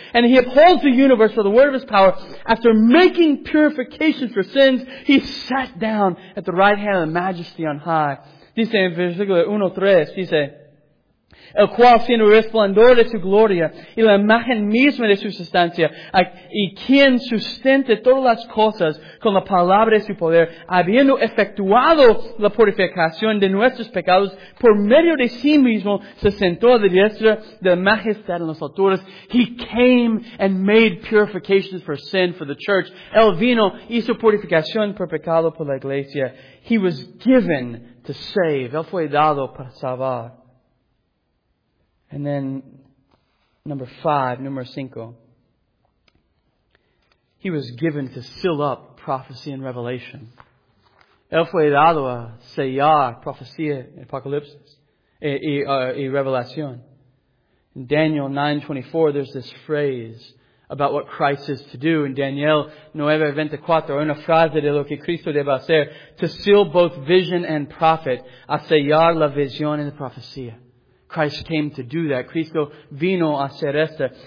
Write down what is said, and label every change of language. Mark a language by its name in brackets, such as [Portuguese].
[English] And He upholds the universe with the word of His power. After making purification for sins, He sat down at the right hand of the majesty on high. [Spanish] Dice en versículo 1, 3, dice, el cual siendo resplandor de su gloria y la imagen misma de su sustancia, y quien sustente todas las cosas con la palabra de su poder, habiendo efectuado la purificación de nuestros pecados, por medio de sí mismo se sentó a la diestra de la majestad en las alturas. [English] He came and made purifications for sin for the church. [Spanish] El vino hizo purificación por pecado por la iglesia. [English] He was given to save. [Spanish] Él fue dado para salvar. [English] And then, number 5. He was given to seal up prophecy and revelation. [Spanish] Él fue dado a sellar profecía, apocalipsis, y revelación. [English] In Daniel 9:24, there's this phrase about what Christ is to do. In Daniel 9:24, [Spanish] una frase de lo que Cristo debe hacer, [English] to seal both vision and prophet, [Spanish] a sellar la visión y la profecía. [English] Christ came to do that. [Spanish] Cristo vino a hacer esto.